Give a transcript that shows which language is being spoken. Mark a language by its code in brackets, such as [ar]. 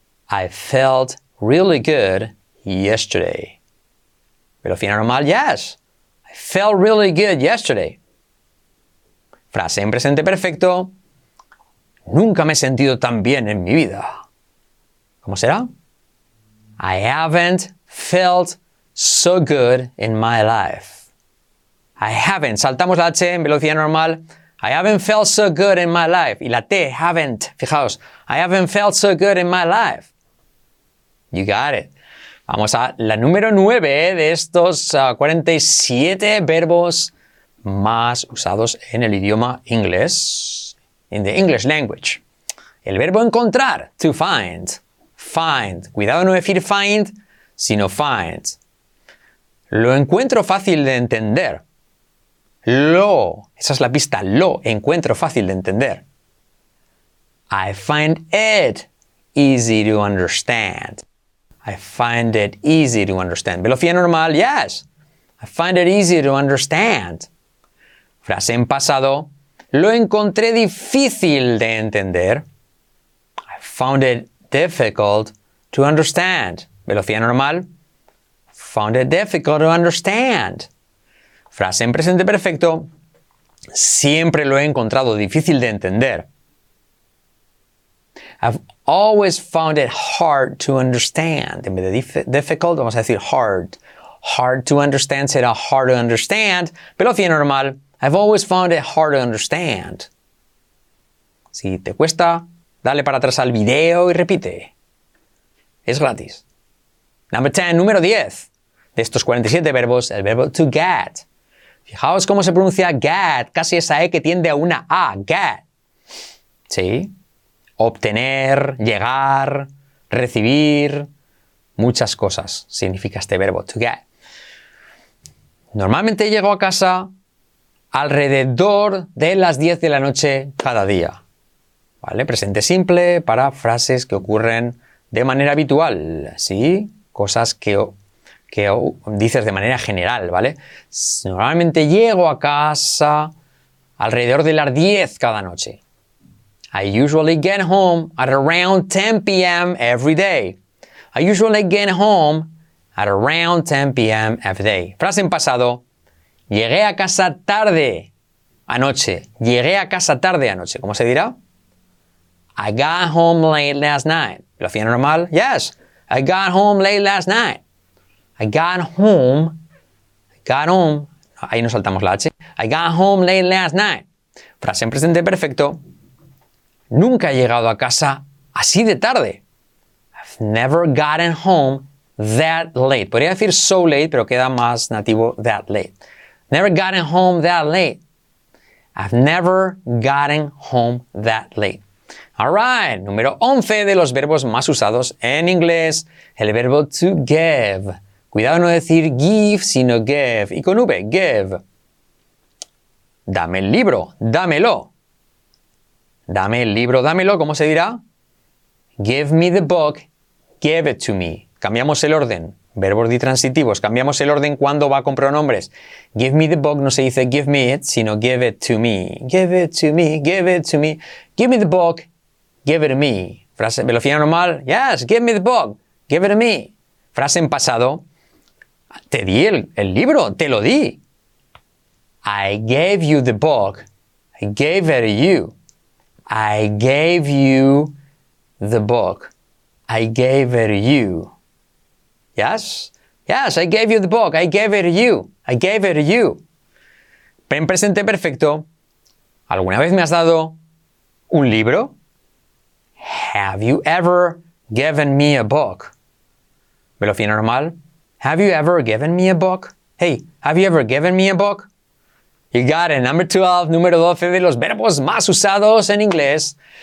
[en] I felt really good yesterday. [es] Velocidad normal, [en] yes. I felt really good yesterday. [es] Frase en presente perfecto. Nunca me he sentido tan bien en mi vida. ¿Cómo será? [en] I haven't felt so good in my life. I haven't. [es] Saltamos la H en velocidad normal. [en] I haven't felt so good in my life. [es] Y la T, haven't. Fijaos. [en] I haven't felt so good in my life. You got it. [es] Vamos a la número 9 de estos 47 verbos más usados en el idioma inglés, [en] in the English language. [es] El verbo encontrar, to find. Find. Cuidado, no decir find, sino find. Lo encuentro fácil de entender. Lo, esa es la pista, lo encuentro fácil de entender. [en] I find it easy to understand. I find it easy to understand. [es] Velocidad normal, [en] yes. I find it easy to understand. [es] Frase en pasado. Lo encontré difícil de entender. [en] I found it difficult to understand. [es] Velocidad normal. [en] Found it difficult to understand. [es] Frase en presente perfecto. Siempre lo he encontrado difícil de entender. [en] Always found it hard to understand. [es] En vez de difficult, vamos a decir hard. [en] Hard to understand será hard to understand. [es] Velocidad normal. [en] I've always found it hard to understand. [es] Si te cuesta, dale para atrás al video y repite. Es gratis. Number 10, número 10. De estos 47 verbos, el verbo to get. Fijaos cómo se pronuncia get. Casi esa E que tiende a una A. Get. ¿Sí? Obtener, llegar, recibir, muchas cosas significa este verbo, to get. Normalmente llego a casa alrededor de las 10 de la noche cada día. ¿Vale? Presente simple para frases que ocurren de manera habitual, ¿sí? Cosas que dices de manera general, ¿vale? Normalmente llego a casa alrededor de las 10 cada noche. [en] I usually get home at around 10 p.m. every day. I usually get home at around 10 p.m. every day. [es] Frase en pasado. Llegué a casa tarde anoche. Llegué a casa tarde anoche. ¿Cómo se dirá? [en] I got home late last night. [es] ¿Lo hacía normal? [en] Yes. I got home late last night. I got home. [es] Ahí nos saltamos la H. [en] I got home late last night. [es] Frase en presente perfecto. Nunca he llegado a casa así de tarde. [en] I've never gotten home that late. [es] Podría decir so late, pero queda más nativo that late. [en] Never gotten home that late. I've never gotten home that late. All right. [es] Número 11 de los verbos más usados en inglés. El verbo to give. Cuidado no decir give, sino give. Y con V, give. Dame el libro, dámelo. Dame el libro, dámelo. ¿Cómo se dirá? [en] Give me the book, give it to me. [es] Cambiamos el orden. Verbos ditransitivos. Cambiamos el orden cuando va con pronombres. [en] Give me the book [es] no se dice [en] give me it, sino give it to me. Give it to me, give it to me. Give me the book, give it to me. [es] Frase, velocidad normal. [en] Yes, give me the book, give it to me. [es] Frase en pasado. Te di el libro, te lo di. [en] I gave you the book, I gave it to you. I gave you the book, I gave it to you. Yes, yes, I gave you the book, I gave it to you, I gave it to you. [es] En presente perfecto, ¿alguna vez me has dado un libro? [en] Have you ever given me a book? [es] Velocidad normal. [en] Have you ever given me a book? Hey, have you ever given me a book? You got it. [es] Number 12, número 12 de los verbos más usados en inglés.